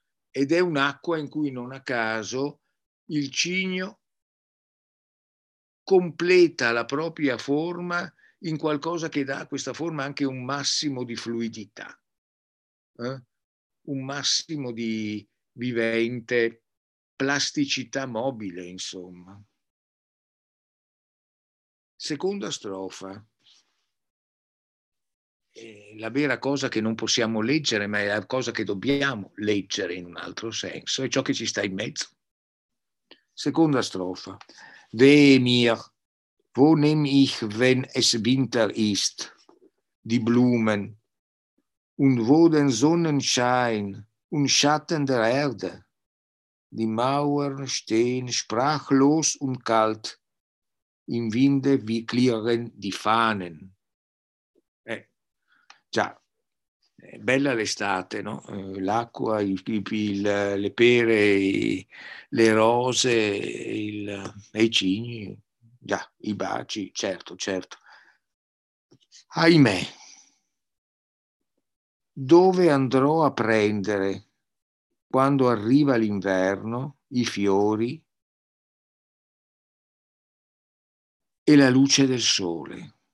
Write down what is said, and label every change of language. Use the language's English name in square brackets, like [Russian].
[Italian] Ed è un'acqua in cui non a caso il cigno completa la propria forma in qualcosa che dà a questa forma anche un massimo di fluidità, un massimo di vivente plasticità mobile, insomma. Seconda strofa, la vera cosa che non possiamo leggere, ma è la cosa che dobbiamo leggere in un altro senso, è ciò che ci sta in mezzo. Seconda strofa. [German] Weh mir, wo nehm ich, wenn es Winter ist, die Blumen, und wo den Sonnenschein und Schatten der Erde, die Mauern stehen sprachlos und kalt, im Winde wie klirren die Fahnen. [Italian] Già, è bella l'estate, no? L'acqua, le pere, le rose, i cigni, già, i baci, certo, certo. Ahimè, dove andrò a prendere, quando arriva l'inverno, i fiori e la luce del sole?